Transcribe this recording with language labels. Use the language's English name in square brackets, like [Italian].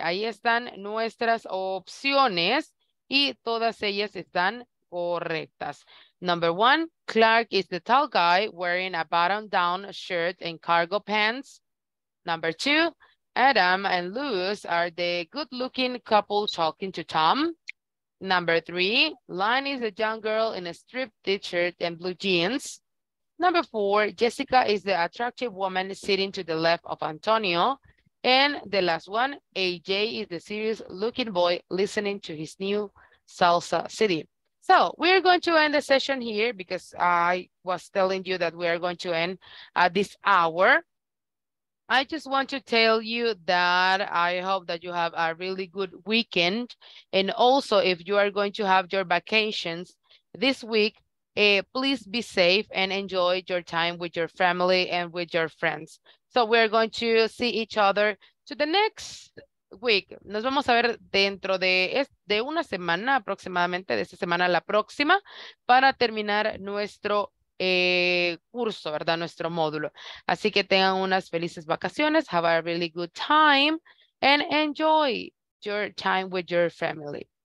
[Spanish] Ahí están nuestras opciones y todas ellas están correctas. [English] Number one, Clark is the tall guy wearing a button-down shirt and cargo pants. Number two, Adam and Luz are the good-looking couple talking to Tom. Number three, Line is a young girl in a striped t-shirt and blue jeans. Number four, Jessica is the attractive woman sitting to the left of Antonio. And the last one, AJ is the serious looking boy listening to his new salsa city. So we're going to end the session here because I was telling you that we are going to end at this hour. I just want to tell you that I hope that you have a really good weekend. And also if you are going to have your vacations this week, please be safe and enjoy your time with your family and with your friends. So we're going to see each other to the next week. [Spanish] Nos vamos a ver dentro de una semana aproximadamente, de esta semana a la próxima, para terminar nuestro curso, ¿verdad? Nuestro módulo. Así que tengan unas felices vacaciones. [English] Have a really good time and enjoy your time with your family.